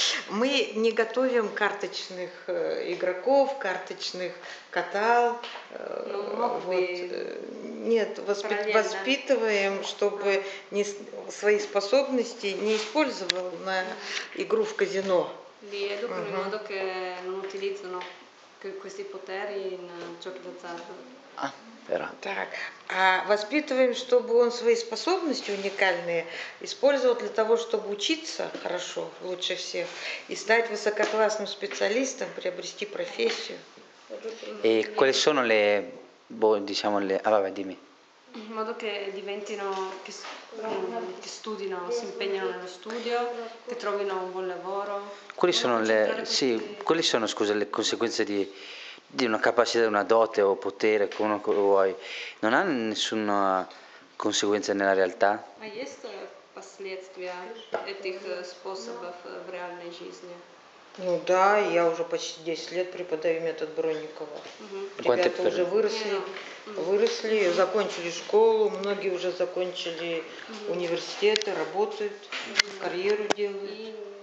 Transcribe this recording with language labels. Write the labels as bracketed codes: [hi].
[ru] Мы не готовим карточных игроков, карточных катал. Нет, воспитываем, чтобы не свои способности не использовал на игру в казино. [it] Lievo in modo che non utilizzano questi poteri in giochi d'azzardo. [ru] Так, а воспитываем, чтобы он свои способности уникальные использовал для того, чтобы учиться хорошо, лучше всех, и стать высококлассным специалистом, приобрести профессию. [it] И quali sono le, diciamo le, vabbè, dimmi. In modo che diventino, che studino, si impegnano nello studio, che trovino un buon lavoro. Quali sono le, sì, quali sono, scusa, le conseguenze di una capacità, una dote o potere, come vuoi, non ha nessuna conseguenza nella realtà? Ma questo è [ru] последствия этих способов в реальной жизни. Ну да, я уже почти 10 лет преподаю метод Бронникова. Ребята уже выросли, закончили школу, многие уже закончили университеты, работают, карьеру делают.